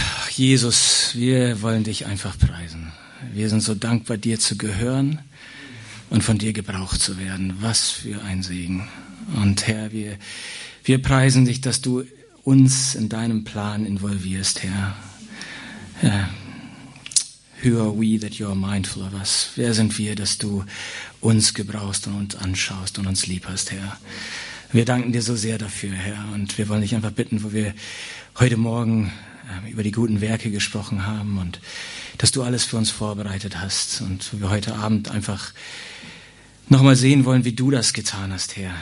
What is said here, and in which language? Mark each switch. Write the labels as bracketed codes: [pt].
[de] Jesus, wir wollen dich einfach preisen. Wir sind so dankbar, dir zu gehören und von dir gebraucht zu werden. Was für ein Segen. Und Herr, wir preisen dich, dass du uns in deinem Plan involvierst, Herr. Ja. [en] Who are we that you are mindful of us? [de] Wer sind wir, dass du uns gebrauchst und uns anschaust und uns lieb hast, Herr? Wir danken dir so sehr dafür, Herr. Und wir wollen dich einfach bitten, wo wir heute Morgen über die guten Werke gesprochen haben und dass du alles für uns vorbereitet hast und wo wir heute Abend einfach nochmal sehen wollen, wie du das getan hast, Herr.